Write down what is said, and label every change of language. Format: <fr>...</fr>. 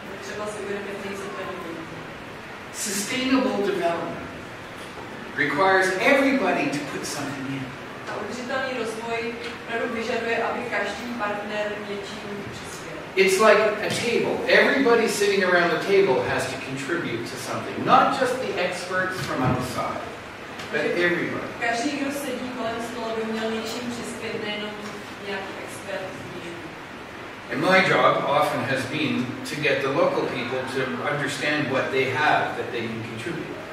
<cs>Třeba si uvědomit, nejsou peníze.</cs> <en>Sustainable development requires everybody to put something in.</en> <cs>A udržitelný rozvoj opravdu vyžaduje, aby každý partner něčím přispěl.</cs> <en>It's like a table. Everybody sitting around the table has to contribute to something. Not just the experts from outside, but everybody.</en> <cs>Každý, kdo sedí kolem stola, by měl něčím přispět, nejenom nějaký expert.</cs> <en>And my job often has been to get the local people to understand what they have that they can contribute.</en>